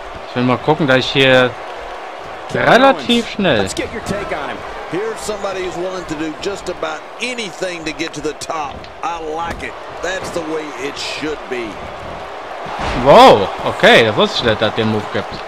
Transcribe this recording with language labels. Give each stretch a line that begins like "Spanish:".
German: Ich will mal gucken, dass ich hier Kevin relativ Owens, schnell.
English: Let's get your take on him. Here's somebody who's willing to do just about anything to get to the top. I like it. That's the way it should be.
German: Wow, okay, das wusste ich nicht, dass der Move gibt.